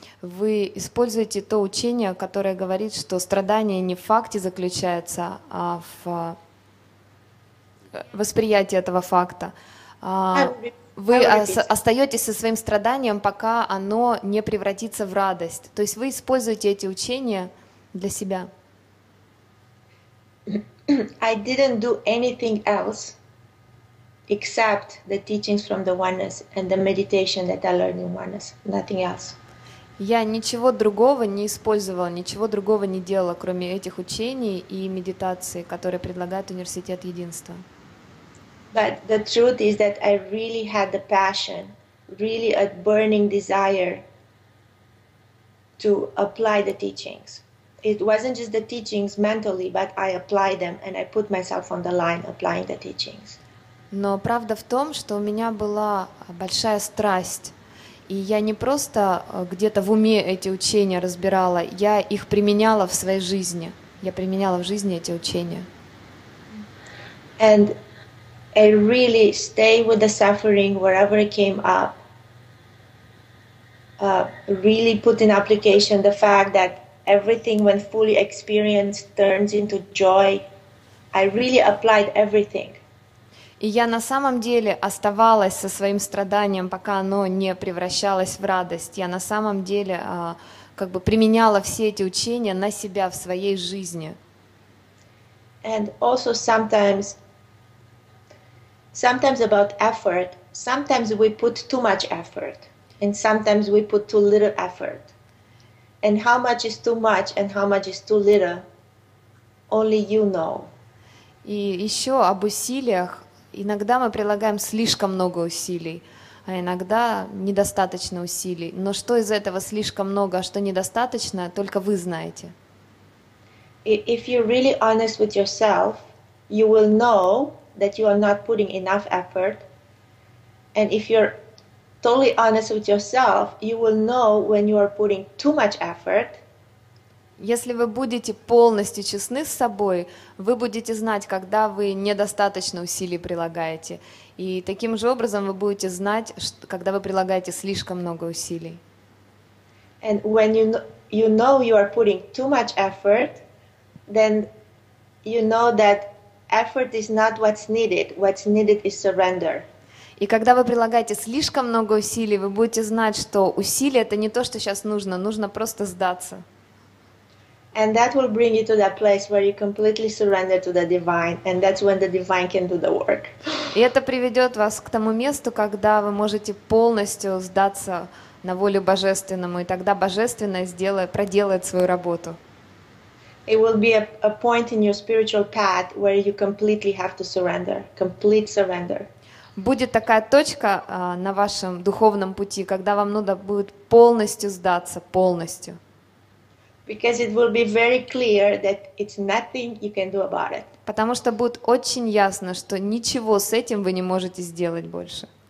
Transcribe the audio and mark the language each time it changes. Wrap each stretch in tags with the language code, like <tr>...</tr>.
<ru>Вы используете то учение, которое говорит, что страдание не в факте заключается, а в восприятии этого факта. Вы остаетесь со своим страданием, пока оно не превратится в радость. То есть вы используете эти учения для себя.</ru> <en>I didn't do anything else except the teachings from the oneness and the meditation that I learned in oneness. Nothing else.</en> <ru>Я ничего другого не использовала, ничего другого не делала, кроме этих учений и медитации, которые предлагает университет единства.</ru> <en>But the truth is that I really had the passion, really a burning desire to apply the teachings. It wasn't just the teachings mentally, but I applied them and I put myself on the line applying the teachings.</en> <ru>Но правда в том, что у меня была большая страсть. И я не просто где-то в уме эти учения разбирала, я их применяла в своей жизни. Я применяла в жизни эти учения.</ru> <en>And I really stay with the suffering wherever it came up. Really put in application the fact that everything when fully experienced turns into joy. I really applied everything.</en> <ru>И я на самом деле оставалась со своим страданием, пока оно не превращалось в радость. Я на самом деле как бы применяла все эти учения на себя в своей жизни.</ru> <en>And also sometimes about effort. Sometimes we put too much effort, and sometimes we put too little effort. And how much is too much and how much is too little, only you know.</en> <ru>И еще об усилиях. Иногда мы прилагаем слишком много усилий, а иногда недостаточно усилий. Но что из этого слишком много, а что недостаточно, только вы знаете.</ru> <en>If you're really honest with yourself, you will know that you are not putting enough effort. And if you're totally honest with yourself, you will know when you are putting too much effort.</en> <ru>Если вы будете полностью честны с собой, вы будете знать, когда вы недостаточно усилий прилагаете. И таким же образом вы будете знать, когда вы прилагаете слишком много усилий.</ru> <en>And when you know you are putting too much effort, then you know that effort is not what's needed. What's needed is surrender.</en> <ru>И когда вы прилагаете слишком много усилий, вы будете знать, что усилия — это не то, что сейчас нужно, нужно просто сдаться.</ru> <en>And that will bring you to that place where you completely surrender to the divine, and that's when the divine can do the work.</en> <ru>И это приведет вас к тому месту, когда вы можете полностью сдаться на волю Божественному, и тогда Божественное проделает свою работу.</ru> <en>It will be a point in your spiritual path where you completely have to surrender, complete surrender.</en> <ru>Будет такая точка на вашем духовном пути, когда вам надо будет полностью сдаться, полностью.</ru> <en>Because it will be very clear that it's nothing you can do about it.</en> <ru>Потому что будет очень ясно, что ничего с этим вы не можете сделать больше.</ru>